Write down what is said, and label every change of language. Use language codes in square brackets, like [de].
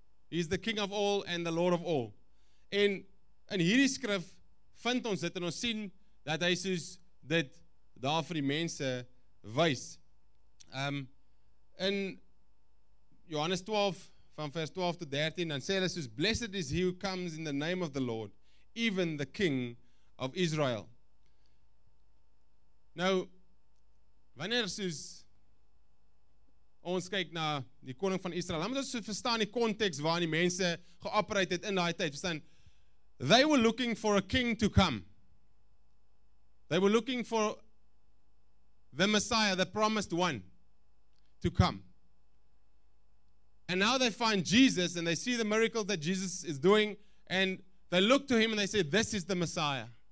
[en] He is the King of all and the Lord of all. [af] En in hierdie skrif vind ons dit en ons sien dat hy soos dit daar vir die mense wys. In Johannes 12 van vers 12 tot 13 dan sê hulle soos: [en] Blessed is he who comes in the name of the Lord, even the King of Israel. [af] Nou, wanneer soos ons kyk na die koning van Israel, dan moet ons verstaan die context waarin die mense geoperate het in die tyd. [en] Verstaan, they were looking for a king to come. They were looking for the Messiah, the promised one, to come. And now they find Jesus and they see the miracles that Jesus is doing and they look to him and they say, this is the Messiah.